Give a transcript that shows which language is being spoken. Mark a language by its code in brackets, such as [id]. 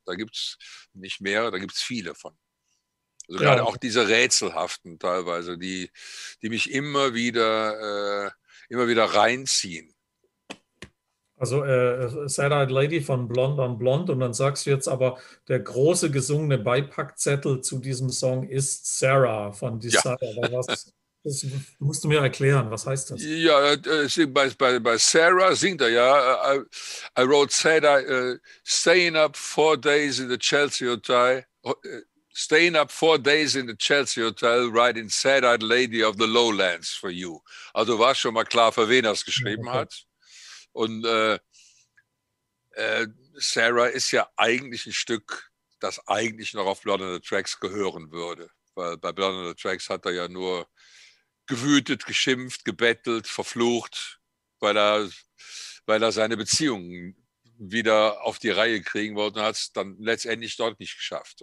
[de] Da gibt es nicht mehrere, da gibt es viele von. Also gerade auch diese rätselhaften teilweise, die mich immer wieder reinziehen. Also Sad Eyed Lady von Blond on Blond, und dann sagst du jetzt aber, der große gesungene Beipackzettel zu diesem Song ist Sarah von Desire. Ja. Das musst du mir erklären, was heißt das? Ja, bei Sarah singt er ja, [en] I wrote Sad Eyed, staying up 4 days in the Chelsea Hotel, staying up 4 days in the Chelsea Hotel, writing Sad Eyed Lady of the Lowlands for you. [de] Also war schon mal klar, für wen er es geschrieben hat. Und Sarah ist ja eigentlich ein Stück, das eigentlich noch auf Blood on the Tracks gehören würde. Weil bei Blood on the Tracks hat er ja nur gewütet, geschimpft, gebettelt, verflucht, weil er seine Beziehungen wieder auf die Reihe kriegen wollte und hat es dann letztendlich dort nicht geschafft.